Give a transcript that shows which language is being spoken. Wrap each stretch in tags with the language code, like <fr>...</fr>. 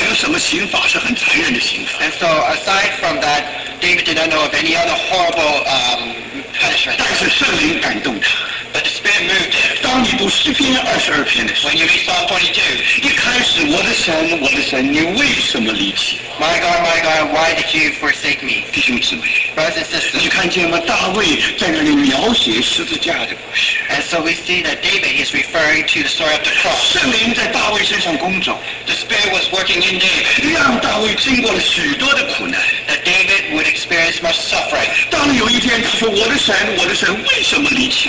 <zh>所以除了这个之外，大卫不知道有什么刑罚是很残忍的刑罚。</zh> <en>And so aside from that, David did not know of any other horrible punishment.</en> <zh>但是圣灵感动他。</zh> <en>But the Spirit moved him.</en> <zh>当你读诗篇22篇的时候,</zh> <en>when you read Psalm 22,</en> <zh>一开始, 我的神, 我的神, 你为什么离弃我?</zh> <en>My God, why did you forsake me?</en> <zh>弟兄姊妹,</zh> <en>brothers and sisters,</en> <zh>看见吗？大卫在那里描写十字架的故事。</zh> <en>And so we see that David is referring to the story of the cross.</en> <zh>圣灵在大卫身上工作。</zh> <en>The Spirit was working in David.</en> <zh>让大卫经过了许多的苦难。</zh> <en>That David would experience much suffering.</en> <zh>当有一天他说：“我的神，我的神，为什么离弃？”</zh>